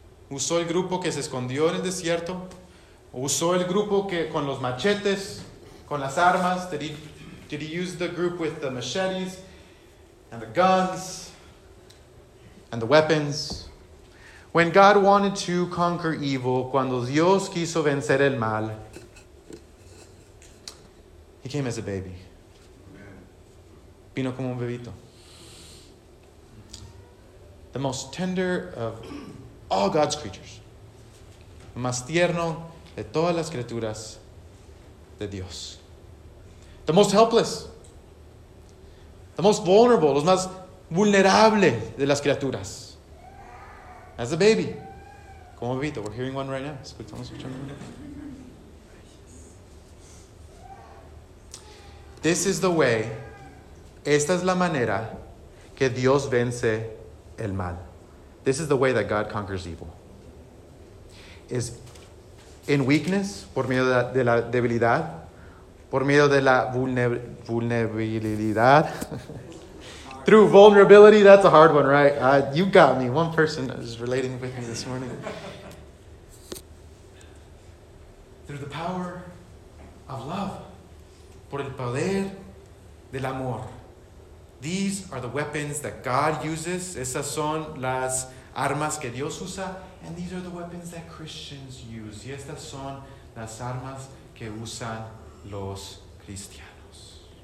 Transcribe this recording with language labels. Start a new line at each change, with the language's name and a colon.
Spanish: ¿Usó el grupo que se escondió en el desierto? ¿Usó el grupo que con los machetes, con las armas?
English: Did he use the group with the machetes and the guns and the weapons? When God wanted to conquer evil,
Spanish: cuando Dios quiso vencer el mal,
English: he came as a baby.
Spanish: Vino como un bebito.
English: The most tender of all God's creatures.
Spanish: Más tierno de todas las criaturas de Dios.
English: The most helpless. The most vulnerable.
Spanish: Los más vulnerable de las criaturas.
English: As a baby.
Spanish: Como bebito.
English: We're hearing one right now.
Spanish: Escuchamos un chorro.
English: This is the way.
Spanish: Esta es la manera que Dios vence el mal.
English: This is the way that God conquers evil. Is in weakness,
Spanish: por medio de la debilidad, por medio de la vulnerabilidad.
English: Through vulnerability, that's a hard one, right? You got me. One person is relating with me this morning. Through the power of love.
Spanish: Por el poder del amor.
English: These are the weapons that God uses.
Spanish: Esas son las armas que Dios usa,
English: and these are the weapons that Christians use.
Spanish: Y estas son las armas que usan los cristianos.